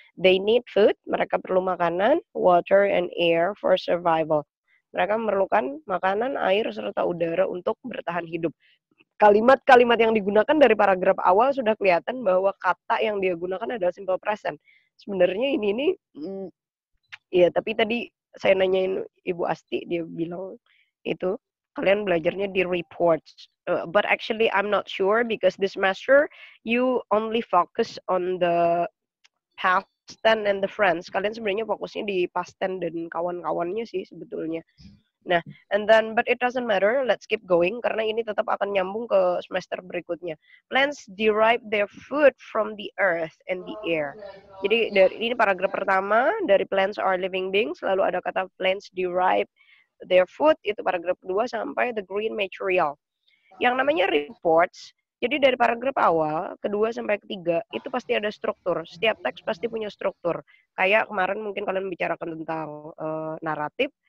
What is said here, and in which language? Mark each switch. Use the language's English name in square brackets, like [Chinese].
[English] They need food, [Indonesian] mereka perlu makanan, [English] water and air for survival. [Indonesian] Mereka memerlukan makanan, air, serta udara untuk bertahan hidup. Kalimat-kalimat yang digunakan dari paragraf awal sudah kelihatan bahwa kata yang dia gunakan adalah simple present. Sebenarnya ini, ya tapi tadi, saya nanyain Ibu Asti, dia bilang itu kalian belajarnya di reports. [English] But actually I'm not sure because this semester you only focus on the past tense and the friends. [Indonesian] Kalian sebenarnya fokusnya di past tense dan kawan-kawannya sih sebetulnya. Nah, [English] and then but it doesn't matter. Let's keep going [Indonesian] karena ini tetap akan nyambung ke semester berikutnya. [English] Plants derive their food from the earth and the air. [Indonesian] Jadi ini paragraf pertama dari [English] plants are living beings. [Indonesian] Lalu ada kata [English] plants derive their food [Indonesian] itu paragraf kedua sampai [English] the green material. [Indonesian] Yang namanya reports. Jadi dari paragraf awal kedua sampai ketiga itu pasti ada struktur. Setiap teks pasti punya struktur. Kayak kemarin mungkin kalian membicarakan tentang naratif.